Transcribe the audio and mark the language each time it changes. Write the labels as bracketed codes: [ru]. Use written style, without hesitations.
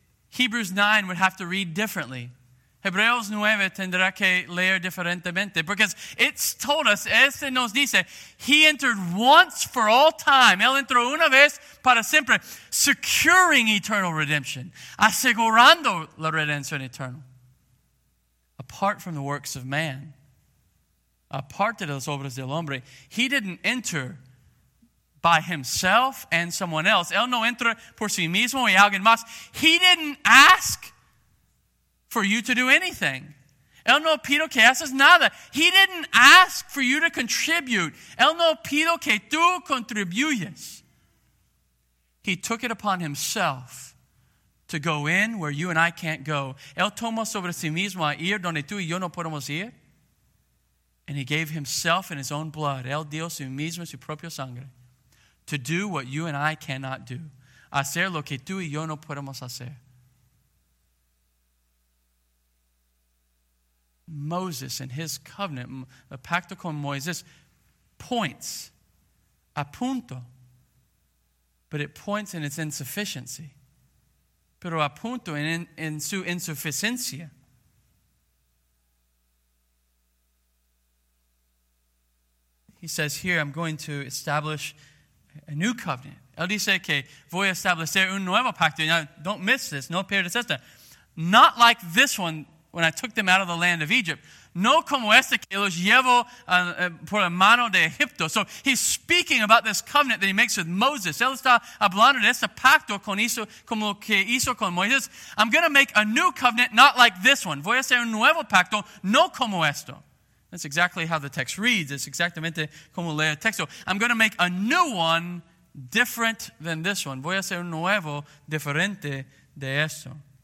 [en] Hebrews 9 would have to read differently. [es] Hebreos 9 tendrá que leer diferentemente, [en] because it's told us, [es] este nos dice, [en] he entered once for all time. [es] Él entró una vez para siempre, [en] securing eternal redemption, [es] asegurando la redención eterna. [en] Apart from the works of man, [es] apart de las obras del hombre, [en] he didn't enter by himself and someone else. [es] Él no entra por sí mismo y alguien más. [en] He didn't ask for you to do anything. [es] Él no pido que haces nada. [en] He didn't ask for you to contribute. [es] Él no pido que tú contribuyes. [en] He took it upon himself to go in where you and I can't go. [es] Él tomó sobre sí mismo a ir donde tú y yo no podemos ir. [en] And he gave himself in his own blood. [es] Él dio sí mismo su propia sangre. [en] To do what you and I cannot do. [es] Hacer lo que tú y yo no podemos hacer. [en] Moses and his covenant, the [es] pacto con Moisés, [en] points, apunto, but it points in its insufficiency. [es] Pero apunto en su insuficiencia. [en] He says here, I'm going to establish a new covenant. [es] Él dice que voy a establecer un nuevo pacto. [en] Now, don't miss this. [es] No pierdas esta. [en] Not like this one when I took them out of the land of Egypt. [es] No como este que los llevo por la mano de Egipto. [en] So he's speaking about this covenant that he makes with Moses. [es] Él está hablando de este pacto como que hizo con Moisés. [en] I'm going to make a new covenant, not like this one. [es] Voy a hacer un nuevo pacto, no como esto. [en] That's exactly how the text reads. It's [es] exactamente como lee el texto. [en] I'm going to make a new one different than this one. [es] Voy a hacer un nuevo diferente de esto.